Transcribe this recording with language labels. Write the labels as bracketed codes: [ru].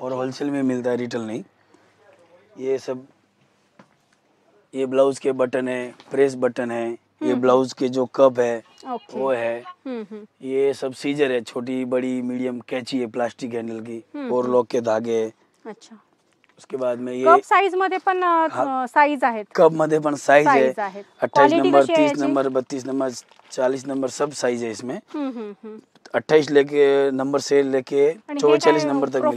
[hi] और होलसेल में मिलता है, रिटेल नहीं. ये सब, ये ब्लाउज के बटन है, प्रेस बटन है. ये ब्लाउज के जो कप है. [en] Okay. [hi] वो है. ये सब सीजर है, छोटी बड़ी मीडियम कैची है, प्लास्टिक हैंडल की. और लॉक के धागे. अच्छा. उसके बाद में ये [mr] कप साइज मध्ये पण साइज आहे. कप मध्ये पण साइज [hi] है, 28 नंबर, 30 नंबर, 32 नंबर, 40 नंबर, सब साइज है इसमें. 28 लेके नंबर से लेके 44 नंबर तक मिले.